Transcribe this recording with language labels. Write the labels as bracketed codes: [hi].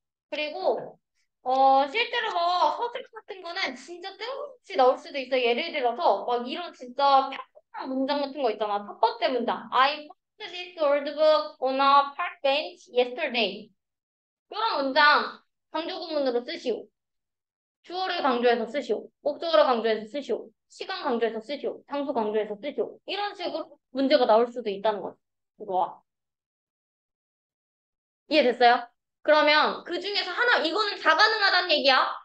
[ko] 그리고 실제로 뭐 서술 같은 거는 진짜 뜬금없이 나올 수도 있어. 예를 들어서 막 이런 진짜 평범한 문장 같은 거 있잖아. 첫 번째 문장, [en] I found this old book on a park bench yesterday. [ko] 이런 문장 강조구문으로 쓰시오. 주어를 강조해서 쓰시오. 목적어를 강조해서 쓰시오. 시간 강조해서 쓰시오. 장소 강조해서 쓰시오. 이런 식으로 문제가 나올 수도 있다는 거죠. 와. 이해됐어요? 그러면 그 중에서 하나, 이거는 자가능하다는 얘기야.